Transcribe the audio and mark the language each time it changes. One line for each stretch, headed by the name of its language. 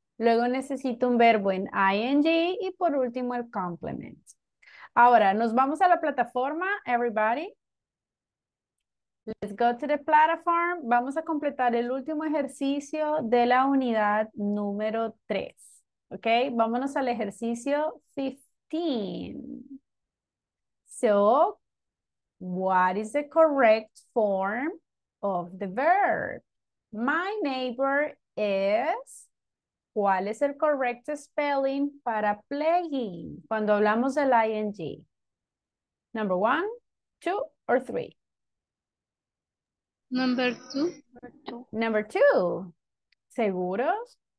Spanish: Luego necesito un verbo en ing y por último el complement. Ahora, nos vamos a la plataforma,
English: everybody. Let's go to the platform.
Spanish: Vamos a completar el último ejercicio de la unidad número 3. ¿Ok? Vámonos al ejercicio 15.
English: So, what is the correct form of the verb? My neighbor is...
Spanish: ¿Cuál es el
English: correct spelling
Spanish: para playing cuando hablamos del ing?
English: Number one, two, or three? Number two.
Spanish: ¿Seguros?